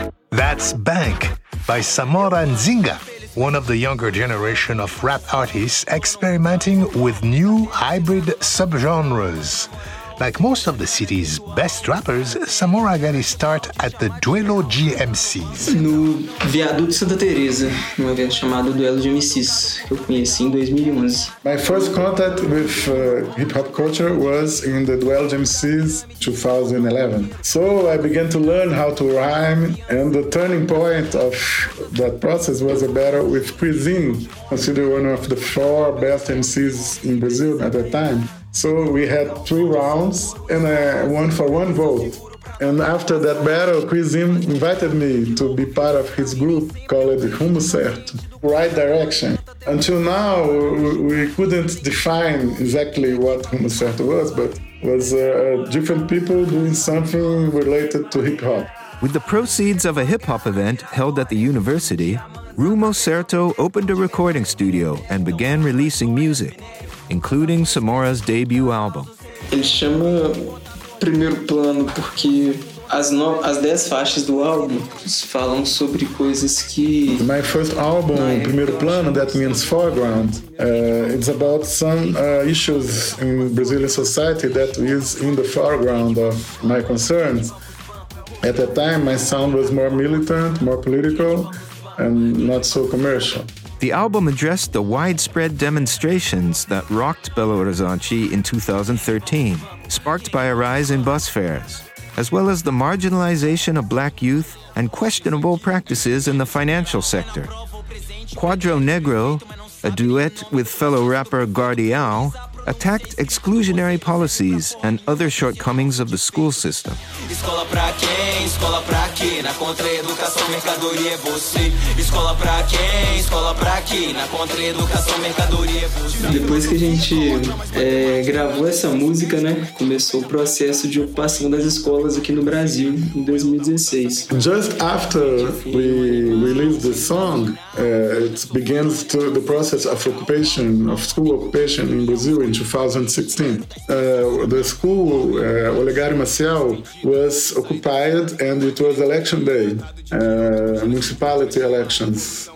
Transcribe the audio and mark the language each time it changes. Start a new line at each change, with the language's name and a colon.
English: That's Bank by Samora Nzinga, one of the younger generation of rap artists experimenting with new hybrid subgenres. Like most of the city's best rappers, Samora got his start at the Duelo de MCs.
Portuguese: No Viaduto Santa Teresa, num evento chamado Duelo de MCs, que eu conheci em 2011.
English: My first contact with hip-hop culture was in the Duelo de MCs 2011. So I began to learn how to rhyme, and the turning point of that process was a battle with Cuisine, considered one of the four best MCs in Brazil at that time. So we had three rounds and one for one vote. And after that battle, Cuisine invited me to be part of his group called Rumo Certo, Right Direction. Until now, we couldn't define exactly what Rumo Certo was, but it was different people doing something related to hip hop. With the proceeds of a hip hop event held at the university, Rumo Certo opened a recording studio and began releasing music, including Samora's debut album.
Portuguese: Ele chama Primeiro Plano porque as 10 faixas do álbum falam sobre coisas que...
English: My first album, Primeiro Plano, that means foreground. It's about some issues in Brazilian society that is in the foreground of my concerns. At that time, my sound was more militant, more political, and not so commercial. The album addressed the widespread demonstrations that rocked Belo Horizonte in 2013, sparked by a rise in bus fares, as well as the marginalization of black youth and questionable practices in the financial sector. Quadro Negro, a duet with fellow rapper Guardião, attacked exclusionary policies and other shortcomings of the school system.
Portuguese: Escola pra quem? Escola pra quê? Na contra-educação, mercadoria é você. Escola pra quem? Escola pra quê? Na contra-educação, mercadoria é você. Depois que a gente gravou essa música, né, começou o processo de ocupação das escolas aqui no Brasil em 2016.
English: Just after we released the song, it begins to the process of occupation, of school occupation in Brazil. In 2016, the school Olegário Maciel was occupied, and it was election day, municipality elections.